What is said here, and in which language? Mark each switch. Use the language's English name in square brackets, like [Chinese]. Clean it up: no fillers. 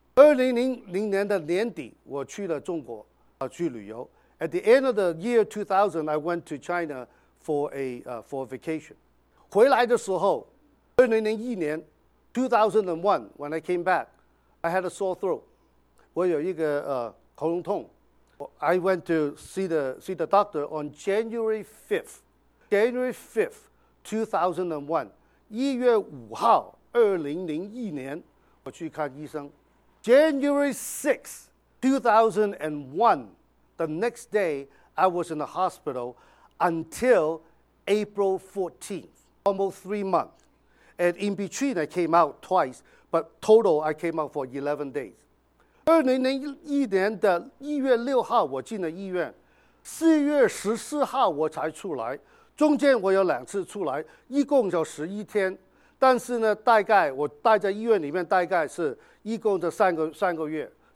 [Chinese] 2000年的年底，我去了中国去旅游。 [English] At the end of the year 2000, I went to China for a vacation. [Chinese] 回来的时候，2001年 [English] 2001 when I came back, I had a sore throat. [Chinese] 我有一个喉咙痛。 [English] I went to see the doctor on January 5th, 2001, [Chinese] 一月五号，2001年，我去看医生。 [English] January 6th, 2001, the next day I was in the hospital until April 14th, almost 3 months, and in between I came out twice, but total I came out for 11 days. [Chinese] 2001年的一月六号我进了医院，4月14号我才出来。中间我有两次出来，一共就11天，但是呢，大概我待在医院里面大概是一共的三个多月。